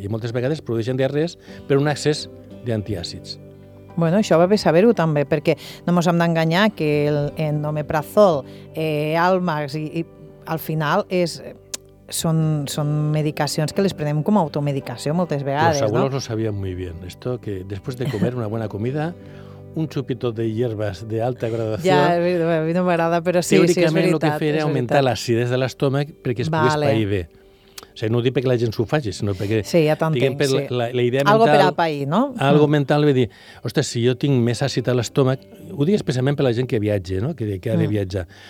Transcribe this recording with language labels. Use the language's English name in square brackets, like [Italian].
[Catalan] I moltes vegades produeixen diarrees per un excés d'antiàcids. Bueno, això va bé saber-ho també, perquè no ens hem d'enganyar que el omeprazol, Almax, i al final és... Són medicacions que les prenem com a automedicació moltes vegades. [Spanish] Los abuelos lo sabían muy bien. Esto que después de comer una buena comida, un chupito de hierbas de alta graduació... [Catalan] Ja, a mi no m'agrada, però sí, sí, és veritat. Teòricament el que feia era augmentar l'acidez de l'estómac perquè es pogués pair bé. O sigui, no ho dic perquè la gent s'ho faci, sinó perquè... Sí, ja t'entenc, diguem, per sí. La idea mental... Algo per a pair, no? Algo mental, ve dir, ostres, si jo tinc més àcid a l'estómac... Ho dic especialment per la gent que viatja, no? Que ha de viatjar.